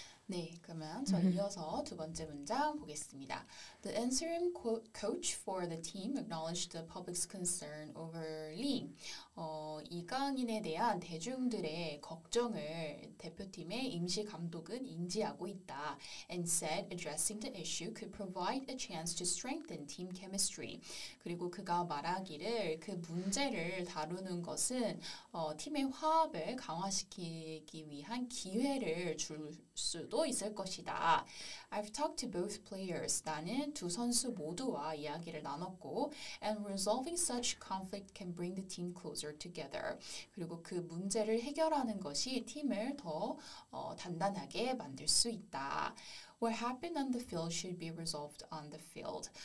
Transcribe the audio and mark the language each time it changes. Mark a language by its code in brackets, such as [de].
[ko] 네, 그러면 저 이어서 두 번째 문장 보겠습니다. [en] The interim coach for the team acknowledged the public's concern over Lee. [ko] 이강인에 대한 대중들의 걱정을 대표팀의 임시 감독은 인지하고 있다. [en] And said addressing the issue could provide a chance to strengthen team chemistry. [ko] 그리고 그가 말하기를 그 문제를 다루는 것은 팀의 화합을 강화시키기 위한 기회를 줄 수도 있을 것이다. [en] I've talked to both players. [ko] 나는 두 선수 모두와 이야기를 나눴고, [en] and resolving such conflict can bring the team closer together. [ko] 그리고 그 문제를 해결하는 것이 팀을 더 단단하게 만들 수 있다. [en] What happened on the field should be resolved on the field.